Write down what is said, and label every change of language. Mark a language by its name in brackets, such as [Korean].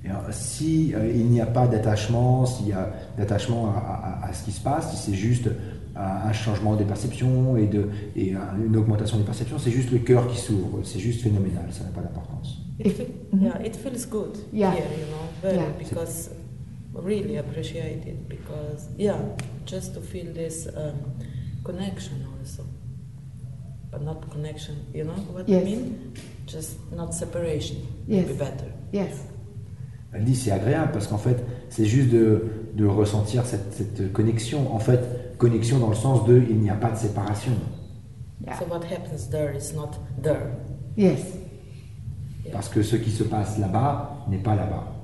[French] Si il n'y a pas d'attachement, s'il y a d'attachement à ce qui se passe, si c'est juste un changement des perceptions et une augmentation des perceptions. C'est juste le cœur qui s'ouvre. C'est juste phénoménal. Ça n'a pas d'importance. [English] It feels good here, you know, very, because really appreciate it, because just to feel this connection also, but not connection. You know what I mean? Just not separation. Be better. Yes. [French] Elle dit c'est agréable parce qu'en fait c'est juste de ressentir cette connexion. En fait, connexion dans le sens de il n'y a pas de séparation. [English] So what happens there is not there. Yes. [French] Parce que ce qui se passe là-bas n'est pas là-bas.